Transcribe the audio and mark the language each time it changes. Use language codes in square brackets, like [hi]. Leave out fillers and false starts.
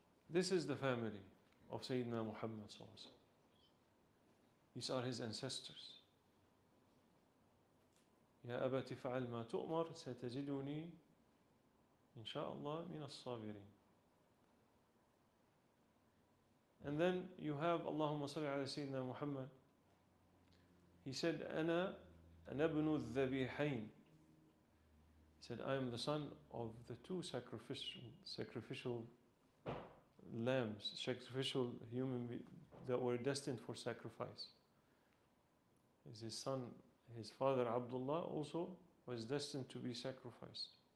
[en] This is the family of Sayyidina Muhammad [ar] صلى الله عليه وسلم. [en] These are his ancestors. [ar] يا أبت فعل ما تؤمر ستجدني إن شاء الله من الصابرين. [en] And then you have [ar] اللهم صل على سيدنا محمد. [en] He said [ar] أنا ابن الذبيحين. [en] He said I am the son of the two sacrificial lambs, sacrificial human beings that were destined for sacrifice. Is his son, his father Abdullah also was destined to be sacrificed.